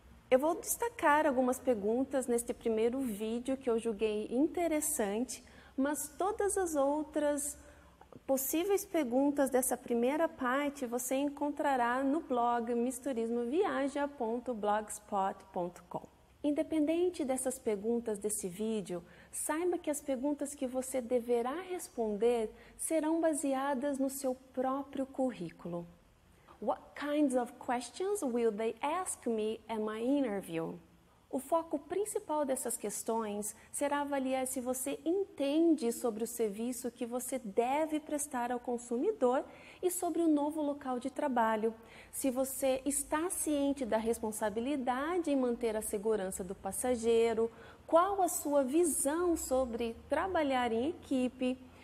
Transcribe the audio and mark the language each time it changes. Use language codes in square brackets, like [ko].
[pt] Eu vou destacar algumas perguntas neste primeiro vídeo que eu julguei interessante, mas todas as outras possíveis perguntas dessa primeira parte você encontrará no blog misturismoviaja.blogspot.com. Independente dessas perguntas desse vídeo, saiba que as perguntas que você deverá responder serão baseadas no seu próprio currículo. [en] What kinds of questions will they ask me at my interview? [pt] O foco principal dessas questões será avaliar se você entende sobre o serviço que você deve prestar ao consumidor e sobre o novo local de trabalho, se você está ciente da responsabilidade em manter a segurança do passageiro, qual a sua visão sobre trabalhar em equipe.